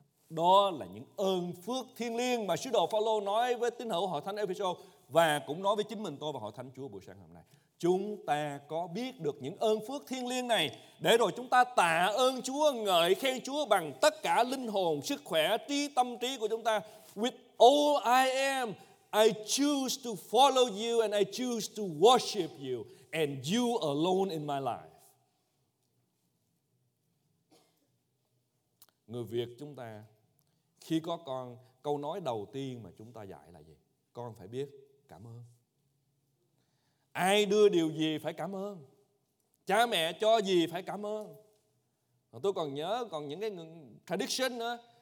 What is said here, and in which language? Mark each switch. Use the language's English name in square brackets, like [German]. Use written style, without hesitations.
[Vietnamese] Đó là những ơn phước thiêng liêng mà sứ đồ Phao-lô nói với tín hữu hội thánh Ê-phê-sô và cũng nói với chính mình tôi và hội thánh Chúa buổi sáng hôm nay. Chúng ta có biết được những ơn phước thiêng liêng này để rồi chúng ta tạ ơn Chúa, ngợi khen Chúa bằng tất cả linh hồn, sức khỏe, trí, tâm trí của chúng ta. [English] With all I am, I choose to follow you and I choose to worship you and you alone in my life. [Vietnamese] Người Việt chúng ta, khi có con, câu nói đầu tiên mà chúng ta dạy là gì? Con phải biết cảm ơn. Ai đưa điều gì phải cảm ơn. Cha mẹ cho gì phải cảm ơn. Tôi còn nhớ, còn những cái tradition nữa.